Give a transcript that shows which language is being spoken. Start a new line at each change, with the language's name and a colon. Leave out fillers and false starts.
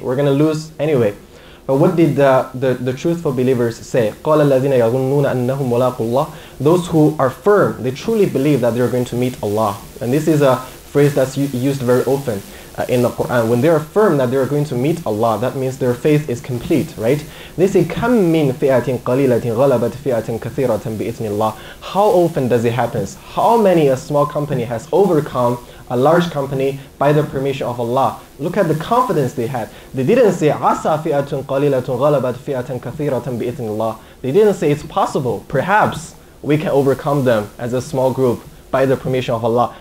English: We're going to lose anyway. But what did the truthful believers say?
Arabic: قَالَ الَّذِينَ يَظُنُّونَ أَنَّهُمْ مُلَاقُ اللَّهِ
English: Those who are firm, they truly believe that they're going to meet Allah. And this is a phrase that's used very often in the Quran. When they are firm that they are going to meet Allah, that means their faith is complete, right? They say,
Arabic: كَمْ مِنْ فِيَةٍ قَلِيلَةٍ غَلَبَتْ فِيَةٍ كَثِيرَةً بِإِذْنِ اللَّهِ
English: How often does it happen? How many a small company has overcome a large company by the permission of Allah. Look at the confidence they had. They didn't say,
Arabic: عَسَى فِيَةٌ قَلِيلَةٌ غَلَبَتْ فِيَةً كَثِيرَةً بِإِذْنِ اللَّهِ
English: They didn't say, it's possible, perhaps we can overcome them as a small group by the permission of Allah.